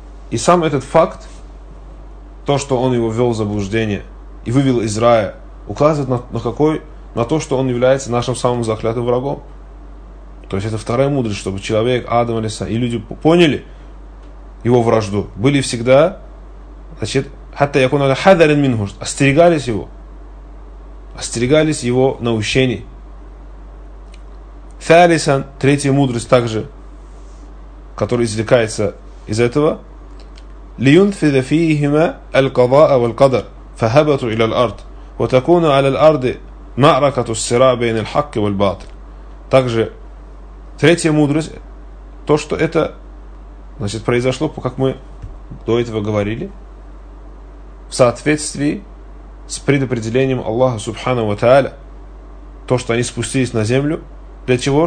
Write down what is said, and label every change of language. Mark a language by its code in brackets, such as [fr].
[ru] И сам этот факт, то, что он его ввел в заблуждение и вывел из рая, указывает на то, что он является нашим самым заклятым врагом. То есть это вторая мудрость, чтобы человек, Адам и люди поняли его вражду, были всегда, значит, [ar] хатта якуна ля хадарин минху, [ru] остерегались его, остерегались его наущений. Фалисан, третья мудрость также, которая извлекается из этого, [ar] لينفذ فيهما القضاء والقدر فهبطوا إلى الأرض وتكون على الأرض معركة الصراع بين الحق والباطل. [ru] Также третья мудрость, то, что это, значит, произошло, как мы до этого говорили, в соответствии с предопределением Аллаха Субханаху ва Тааля, то, что они спустились на землю, для чего?